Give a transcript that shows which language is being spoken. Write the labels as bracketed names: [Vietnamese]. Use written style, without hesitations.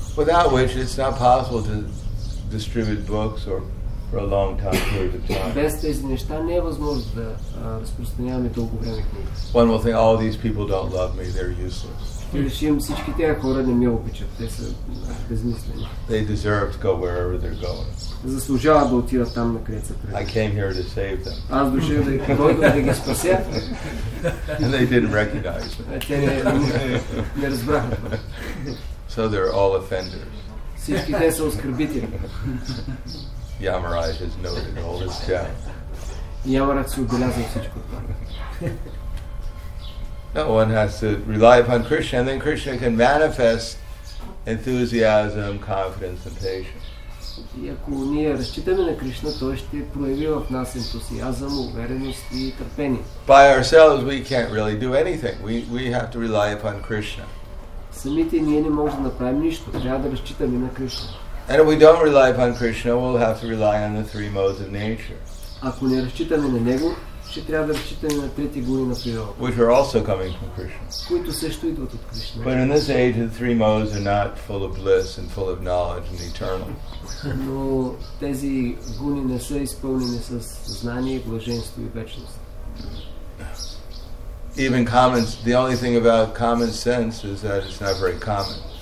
[English] Without which it's not possible to distribute books or for a long time, period of time. [Bulgarian] Без тези неща не е възможно да разпространяваме дълго време книга. [English] One will think, all these people don't love me, they're useless. [Bulgarian] Всички тези хора не ме обичат, те са безмислени. [English] They deserve to go wherever they're going. [Bulgarian] Заслужават да отидат там, на където са тръгнали. [English] I came here to save them. [Bulgarian] Аз дошъл да ги спася. [English] And they didn't recognize me. [Bulgarian] Те не разбраха. [English] So they're all offenders. [Bulgarian] Всички те са оскърбители. [English] Yamaraj has noted all this down. [Bulgarian] Yamaraj се отбелязва всичко това. [English] No one has to rely upon Krishna, and then Krishna can manifest enthusiasm, confidence, and patience. [Bulgarian] И ако ние разчитаме на Кришна, той ще прояви в нас ентусиазъм, увереност и търпение. [English] By ourselves, we can't really do anything. We have to rely upon Krishna. [Bulgarian] Самите ние не можем да направим нищо, трябва да разчитаме на Кришна. [English] And if we don't rely upon Krishna, we'll have to rely on the three modes of nature. [Bulgarian] Ако не разчитаме на него, ще трябва да разчитаме на трети гуни на природа. [English] Which are also coming from Krishna. [Bulgarian] Които също идват от Кришна. [English] But in this age, the three modes are not full of bliss and full of knowledge and eternal. [Bulgarian] Но тези гуни не са изпълнени с знание, блаженство и вечност. [English] Even common, the only thing about common sense is that it's not very common.